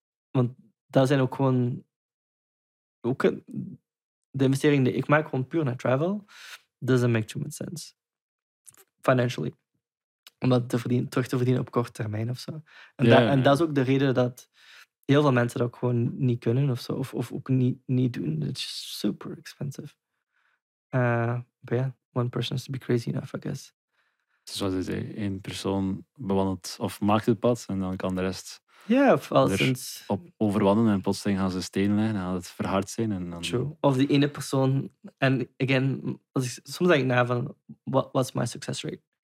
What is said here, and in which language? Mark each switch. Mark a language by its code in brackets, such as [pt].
[nl] Want daar zijn ook gewoon... Ook de investeringen die ik maak, gewoon puur naar travel, [en] doesn't make too much sense. Financially. [nl] Om dat terug te verdienen op korte termijn of zo. En dat is ook de reden dat heel veel mensen dat ook gewoon niet kunnen of zo. Of ook niet doen. [en] It's super expensive. But one person has to be crazy enough, I guess. [nl] Dus zoals je zei, één persoon bewandelt of maakt het pad en dan kan de rest op overwandelen en plotseling gaan ze stenen leggen en gaan het verhard zijn. En dan... True. Of die ene persoon, en again, soms denk ik na van, [en] what's my success rate?